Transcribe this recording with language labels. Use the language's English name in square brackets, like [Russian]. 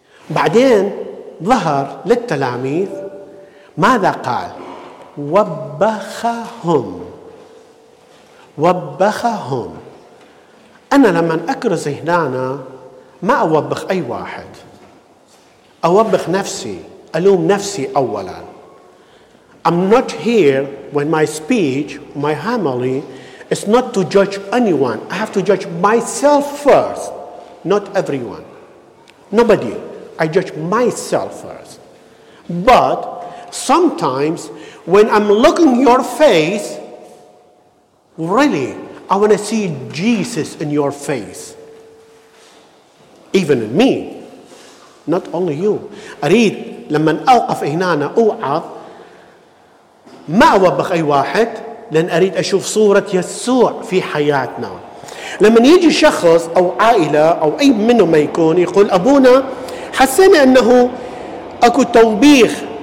[Arabic] بعدين ظهر للتلاميذ ماذا قال وبخهم أنا لما أكرز هنا ما أوبخ أي واحد أوبخ نفسي ألوم نفسي أولا [English] I'm not here when my speech, my homily, is not to judge anyone. I have to judge myself first, not everyone. Nobody. I judge myself first. But sometimes when I'm looking at your face, really, I want to see Jesus in your face. Even in me. Not only you. [Arabic] أريد لما أوقف هنا أوعظ ما أوبخ أي واحد لأن أريد أشوف صورة يسوع في حياتنا لما يجي شخص أو عائلة أو أي منه ما يكون يقول أبونا حسنا أنه أكو توبيخ